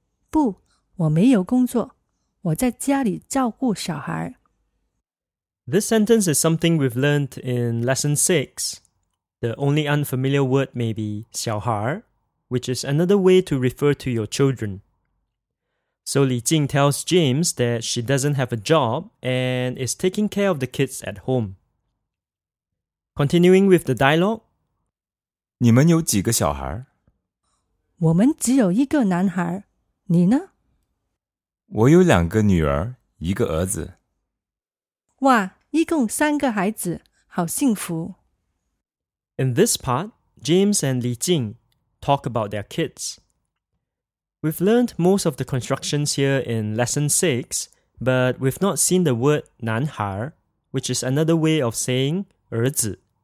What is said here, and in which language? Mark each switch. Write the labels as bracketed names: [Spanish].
[Chinese] 不,我没有工作,我在家里照顾小孩。 [English] This sentence is something we've learned in lesson 6. The only unfamiliar word may be 小孩, which is another way to refer to your children. So 李静 tells James that she doesn't have a job and is taking care of the kids at home. Continuing with the dialogue, [Chinese] 你们有几个小孩? 我们只有一个男孩,你呢? 我有两个女儿,一个儿子。哇,一共三个孩子,好幸福。 [English] In this part, James and Li Jing talk about their kids. We've learned most of the constructions here in lesson 6, but we've not seen the word 男孩, which is another way of saying 儿子。